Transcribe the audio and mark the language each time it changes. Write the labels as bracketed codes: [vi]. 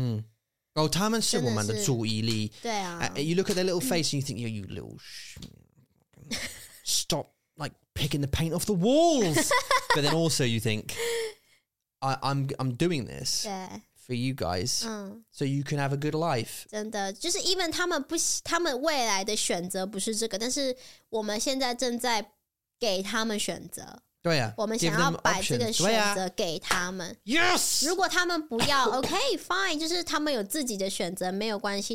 [zh] 嗯，哦，他们是我们的注意力。对啊。 [en] You look at their little face and you think, you little stop like picking the paint off the walls. But then also you think, I'm doing this for you guys, so you can have a good life. [zh] 真的，就是 [en] even [zh] 他们未来的选择不是这个，但是我们现在正在给他们选择。对啊，我们想要摆这个选择给他们。 [en] 啊、yes， [zh] 如果他们不要， [en] OK， fine， [zh] 就是他们有自己的选择，没有关系。